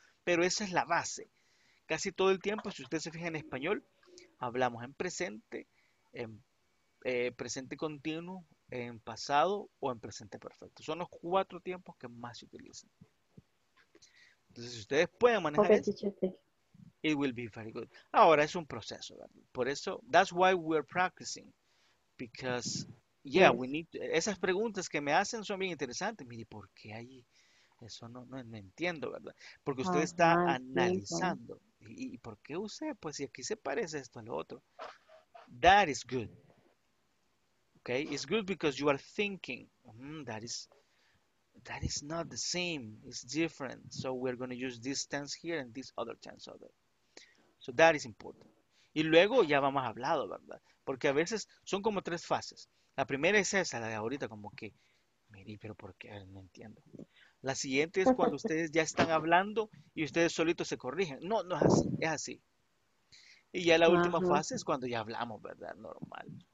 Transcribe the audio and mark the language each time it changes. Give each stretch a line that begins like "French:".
Spanish: Pero esa es la base. Casi todo el tiempo, si usted se fija en español, hablamos en presente, presente continuo, en pasado o en presente perfecto. Son los cuatro tiempos que más se utilizan. Entonces, si ustedes pueden manejar eso,
English: it will be very good.
Spanish: Ahora, es un proceso, ¿verdad? Por eso,
English: that's why we're practicing. Because... Yeah, we need to,
Spanish: esas preguntas que me hacen son bien interesantes. Mire, ¿por qué hay eso? No entiendo, ¿verdad? Porque usted está analizando. ¿Y por qué usted? Pues si aquí se parece esto a lo otro.
English: That is good. Okay, it's good because you are thinking, that is not the same, it's different. So we're going to use this tense here and this other tense over. So that is important.
Spanish: Y luego ya vamos a hablar, ¿verdad? Porque a veces son como tres fases. La primera es esa, la de ahorita, como que, miri, pero ¿por qué? No entiendo. La siguiente es cuando ustedes ya están hablando y ustedes solitos se corrigen. No, no es así, es así. Y ya la última fase es cuando ya hablamos, ¿verdad? Normal.